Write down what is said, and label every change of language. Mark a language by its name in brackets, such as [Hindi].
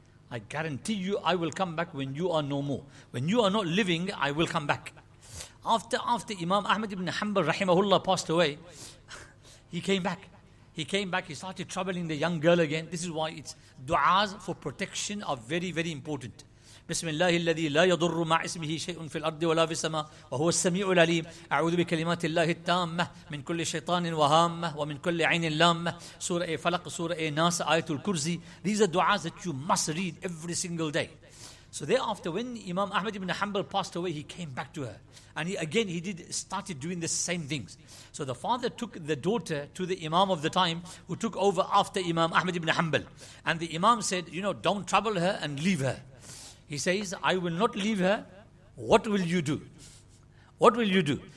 [English] I guarantee you, I will come back when you are no more. When you are not living, I will come back. After Imam Ahmad ibn Hanbal, rahimahullah, passed away, he came back. He came back, he started troubling the young girl again. This is why it's du'as for protection are very, very important. [Arabic] بسم الله الذي لا يضر مع اسمه شيء في الأرض ولا في السماء وهو السميع العليم أعوذ بكلمات الله التامة من كل شيطان وهامة ومن كل عين لامة سورة فلق سورة ناس آية الكرسي. [English] These are du'as that you must read every single day. So thereafter, when Imam Ahmad ibn Hanbal passed away, he came back to her. And he started doing the same things. So the father took the daughter to the Imam of the time, who took over after Imam Ahmad ibn Hanbal. And the Imam said, you know, don't trouble her and leave her. He says, I will not leave her. What will you do? What will you do?